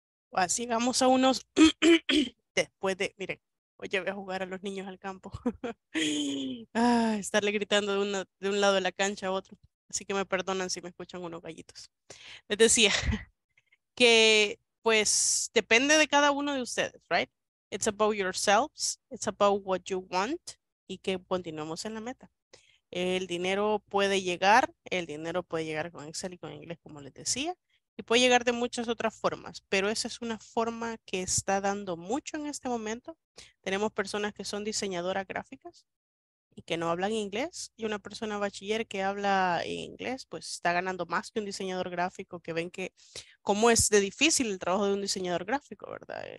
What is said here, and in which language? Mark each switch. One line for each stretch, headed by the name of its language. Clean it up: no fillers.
Spanish: O así vamos a unos después de, miren, hoy llevé a jugar a los niños al campo. Ah, estarle gritando de un lado de la cancha a otro. Así que me perdonan si me escuchan unos gallitos. Les decía que pues depende de cada uno de ustedes, right?
English: It's about yourselves, it's about what you want,
Spanish: y que continuemos en la meta. El dinero puede llegar con Excel y con inglés, como les decía, y puede llegar de muchas otras formas, pero esa es una forma que está dando mucho en este momento. Tenemos personas que son diseñadoras gráficas y que no hablan inglés, y una persona bachiller que habla inglés, pues está ganando más que un diseñador gráfico, que ven que cómo es de difícil el trabajo de un diseñador gráfico, ¿verdad?